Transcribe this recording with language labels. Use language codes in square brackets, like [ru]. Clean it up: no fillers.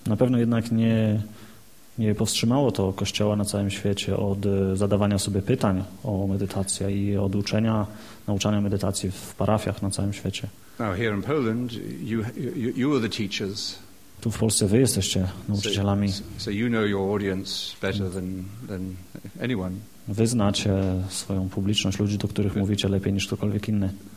[pl] Na pewno jednak nie powstrzymało to Kościoła na całym świecie od zadawania sobie pytań o medytację i od uczenia, nauczania medytacji w parafiach na całym świecie. [en] Now here in Poland, you are the teachers. [pl] Tu w Polsce wy jesteście nauczycielami. [en] So you know your audience better than anyone. [pl] Wy znacie swoją publiczność, ludzi, do których mówicie lepiej niż ktokolwiek inny.